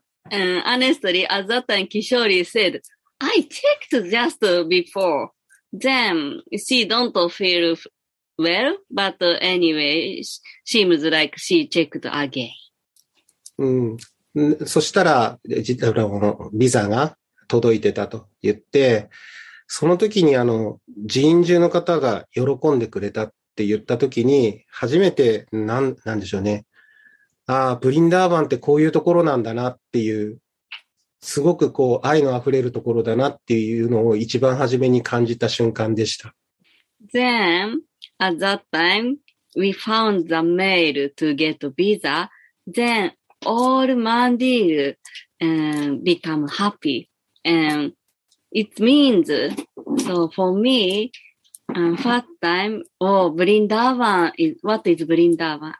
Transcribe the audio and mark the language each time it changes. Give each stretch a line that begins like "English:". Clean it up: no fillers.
English: Honestly, at that time, Kishori said, I checked just before. Then, she don't feel well, but anyway, seems like she checked again.
Japanese: そしたら、ビザが届いてたと言って、その時に寺院中の方が喜んでくれたって言った時に、初めて、なんでしょうね。ああ、ブリンダーバンってこういうところなんだなっていう、すごくこう、愛の溢れるところだなっていうのを一番初めに感じた瞬間でした。
English: Then, at that time, we found the mail to get visa. Then, all Mandir, become happy. And,It means, so for me, first time, oh, Vrindavan, what is Vrindavan?